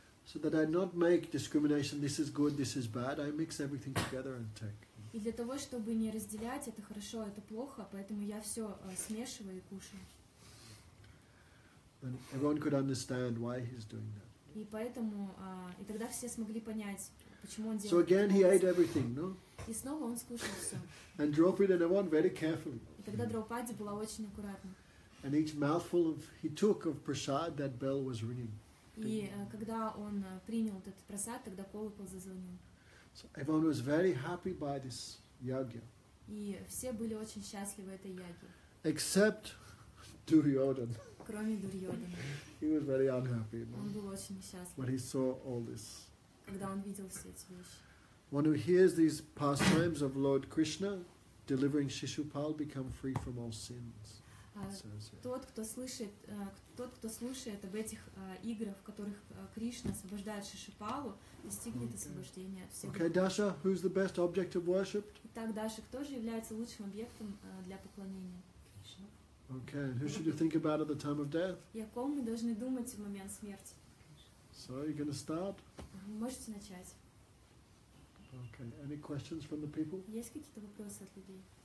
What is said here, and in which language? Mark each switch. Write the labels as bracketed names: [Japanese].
[English] So that I not make discrimination, this is good, this is bad, I mix everything together and take. [Russian] И для того, чтобы не разделять, это хорошо, это плохо, поэтому я все смешиваю и кушаю. [English] And everyone could understand why he's doing that. [Russian] И поэтому, и тогда все смогли понять, почему он делает. [English] So again he ate everything, no? [Russian] И снова он скушал все. [English] And Draupadi and everyone very carefully. [Russian] И тогда Драупади была очень аккуратна. [English] And each mouthful of he took of prasad, that bell was ringing. [Russian] И когда он принял этот прасад, тогда колокол зазвонил. [English] So everyone was very happy by this yagya. [Russian] И все были очень счастливы этой яги. [English] Except Duryodhan. [Russian] Кроме Дурьодана. [English] He was very unhappy. No? [Russian] Он был очень несчастлив. [English] When he saw all this. [Russian] Когда он видел все эти вещи. [English] One who hears these pastimes of Lord Krishna delivering Shishupal become free from all sins. [Russian] Тот, кто слушает об этих играх, в которых Кришна освобождает Шишупалу, достигнет освобождения от всех. [English] Okay, Dasha, who's the best object of worship? [Russian] Итак, Даша, кто же является лучшим объектом для поклонения? Кришна. [English] Okay, who should you think about at the time of death? [Russian] И о ком мы должны думать в момент смерти? [English] So, are you going to start? [Russian] Можете начать. [English] Okay, any questions from the people? [Russian] Есть какие-то вопросы от людей?